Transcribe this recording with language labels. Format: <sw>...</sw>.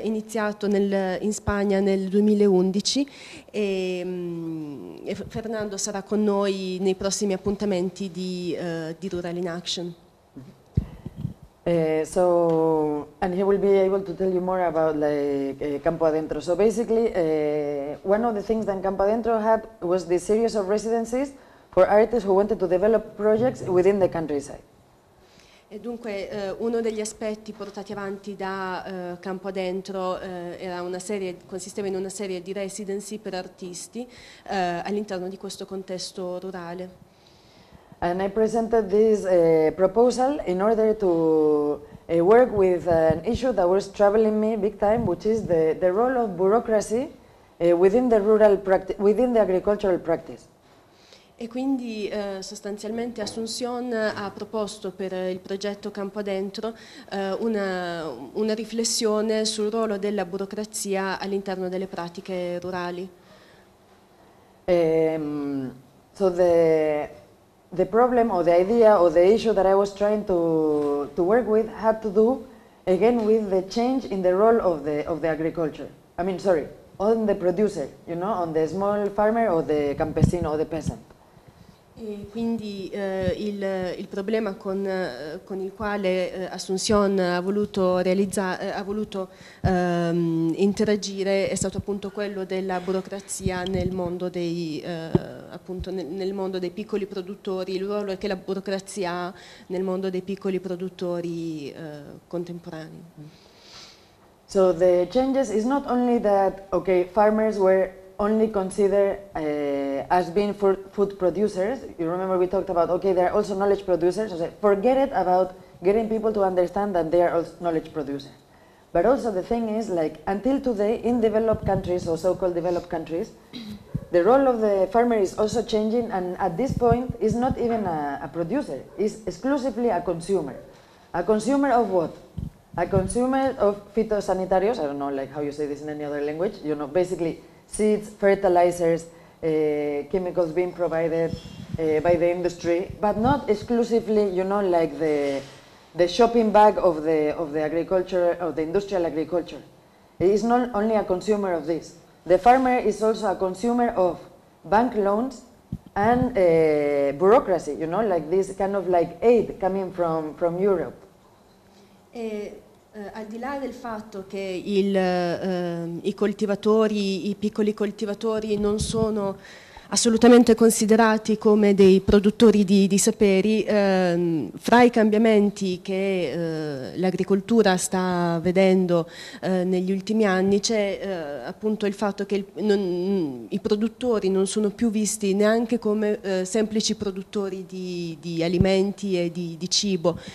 <it>Iniziato in Spagna nel 2011 e Fernando sarà con noi nei prossimi appuntamenti di Rural in Action.</it> <en>So, and he will be able to tell you more about like Campo Adentro. So basically, one of the things that Campo Adentro had was the series of residencies for artists who wanted to develop projects within the countryside.</en> <it>E dunque uno degli aspetti portati avanti da Campo Adentro consisteva in una serie di residency per artisti all'interno di questo contesto rurale.</it> <en>And I presented this proposal in order to work with an issue that was troubling me big time, which is the role of bureaucracy within the agricultural practice.</en> <it>E quindi sostanzialmente Asunción ha proposto per il progetto Campo Adentro una riflessione sul ruolo della burocrazia all'interno delle pratiche rurali.</it> <en>So the problem or the idea or the issue that I was trying to work with had to do again with the change in the role of the agriculture. I mean, sorry, on the producer, you know, on the small farmer or the campesino or the peasant.</en> <it>E quindi il problema con il quale Asunción ha voluto interagire è stato appunto quello della burocrazia nel mondo dei piccoli produttori, il ruolo che la burocrazia ha nel mondo dei piccoli produttori contemporanei.</it> <en>So the changes is not only that, okay, farmers were only consider as being food producers. You remember we talked about, okay, they're also knowledge producers. So forget it about getting people to understand that they are also knowledge producers. But also the thing is, like, until today, in developed countries or so-called developed countries, the role of the farmer is also changing, and at this point is not even a producer, is exclusively a consumer. A consumer of what? A consumer of phytosanitarios. I don't know like how you say this in any other language, you know, basically seeds, fertilizers, chemicals being provided by the industry, but not exclusively, you know, like the shopping bag of the agriculture, of the industrial agriculture. It is not only a consumer of this. The farmer is also a consumer of bank loans and bureaucracy, you know, like this kind of like aid coming from Europe.</en> <it>Al di là del fatto che i coltivatori, i piccoli coltivatori non sono assolutamente considerati come dei produttori di saperi, fra i cambiamenti che l'agricoltura sta vedendo negli ultimi anni c'è appunto il fatto che i produttori non sono più visti neanche come semplici produttori di alimenti e di cibo,</it>